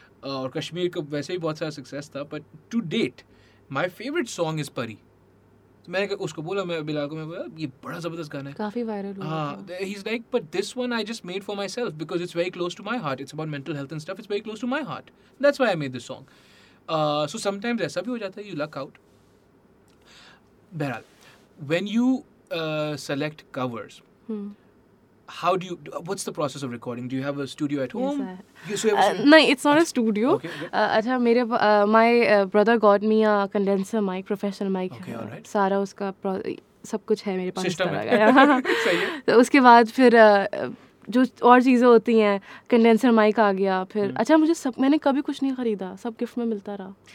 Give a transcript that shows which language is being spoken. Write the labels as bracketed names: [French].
[Hindi] और कश्मीर का वैसे ही बहुत सारा सक्सेस था, [English] But to date my favourite song is Pari. [Hindi] मैंने उसको बोला, मैं बिलाल को, मैं बोला ये बड़ा ज़बरदस्त गाना है, काफ़ी वायरल हुआ. [English] हाँ, he is like but this one I just made for myself because it's very close to my heart, it's about mental health and stuff, it's very close to my heart, that's why I made this song. So sometimes [Hindi] ऐसा भी हो जाता है, [English] You luck out. बहरहाल, when you select covers, how do you, what's the process of recording? Do you have a studio at home? No, it's not a studio. [Hindi] अच्छा मेरे [English] my brother got me a condenser mic, professional mic. Okay, all right. [Hindi] सारा उसका सब कुछ है मेरे पास. System. सही है. तो उसके बाद फिर जो और चीज़ें होती हैं, कंडेंसर माइक आ गया फिर. अच्छा मुझे सब, मैंने कभी कुछ नहीं खरीदा, सब गिफ्ट में मिलता रहा.